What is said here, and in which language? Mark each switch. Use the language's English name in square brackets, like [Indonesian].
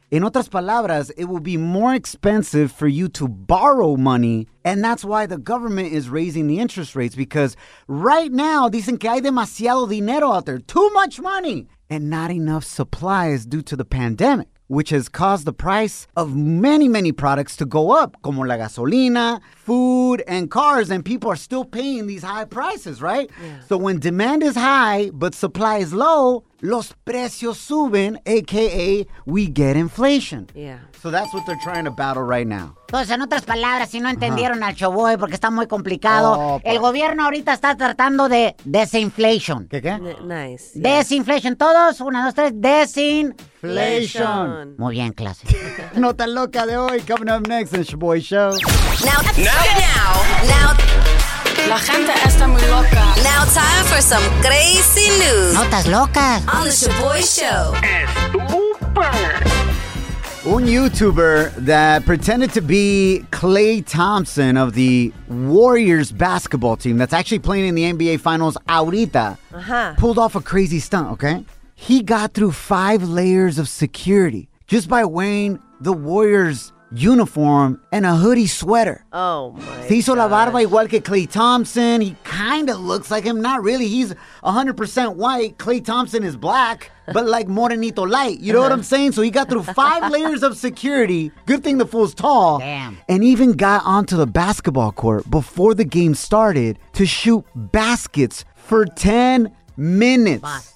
[Spanish] En otras palabras, [English] it will be more expensive for you to borrow money, and that's why the government is raising the interest rates, because right now, [Spanish] dicen que hay demasiado dinero [English] out there, too much money, and not enough supplies due to the pandemic, which has caused the price of many, many products to go up, [Spanish] como la gasolina, [English] food, and cars, and people are still paying these high prices, right? Yeah. So when demand is high, but supply is low, [Spanish] los precios suben, [English] a.k.a. we get inflation. Yeah. So that's what they're trying to battle right now. [Spanish] Entonces, en otras palabras, si no entendieron al Choboy, porque está muy complicado, el gobierno ahorita está tratando de desinflation. ¿Qué? [English] Nice. [Spanish] Yeah. Desinflation. Todos, una, dos, tres, desinflation. Muy bien, clase. Nota loca de hoy, [English] coming up next in Choboy Show. Now. [Spanish] La gente está muy loca. [English] Now time for some crazy news. [Spanish] Notas locas. [English] On the Shaboy Show. Un YouTuber that pretended to be Klay Thompson of the Warriors basketball team that's actually playing in the NBA Finals ahorita pulled off a crazy stunt, okay? He got through 5 layers of security just by wearing the Warriors uniform and a hoodie sweater. Oh, my [Spanish] Se hizo la barba igual que Klay Thompson. [English] He kind of looks like him. Not really. He's 100% white. Klay Thompson is black, but like morenito light. You know what I'm saying? So he got through 5 layers of security. Good thing the fool's tall. Damn. And even got onto the basketball court before the game started to shoot baskets for 10 minutes.